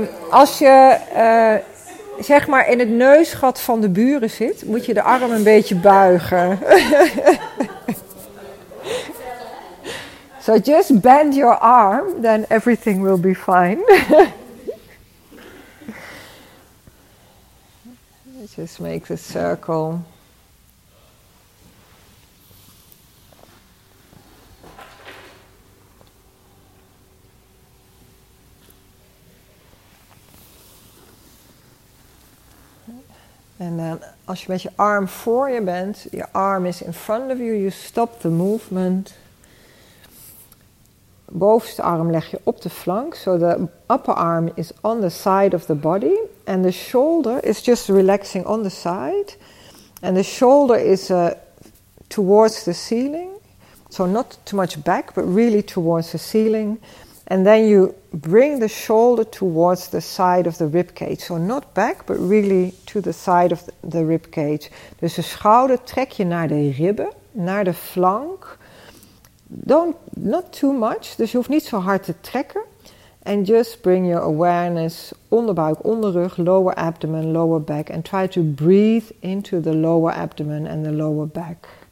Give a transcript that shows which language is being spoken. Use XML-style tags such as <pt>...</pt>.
<nl>Als je zeg maar in het neusgat van de buren zit, moet je de arm een beetje buigen.</nl> <en>So just bend your arm, then everything will be fine. Just make the circle.</en> <nl>En dan als je met je arm voor je bent,</nl> <en>your arm is in front of you, you stop the movement.</en> <nl>Bovenste arm leg je op de flank,</nl> <en>so the upper arm is on the side of the body. And the shoulder is just relaxing on the side. And the shoulder is towards the ceiling. So not too much back, but really towards the ceiling. And then you bring the shoulder towards the side of the ribcage. So not back, but really to the side of the ribcage.</en> <nl>Dus de schouder trek je naar de ribben, naar de flank.</nl> <en>Not too much,</en> <nl>dus je hoeft niet zo hard te trekken.</nl> <en>And just bring your awareness</en> <nl>onderbuik, onderrug,</nl> <en>lower abdomen, lower back. And try to breathe into the lower abdomen and the lower back.</en>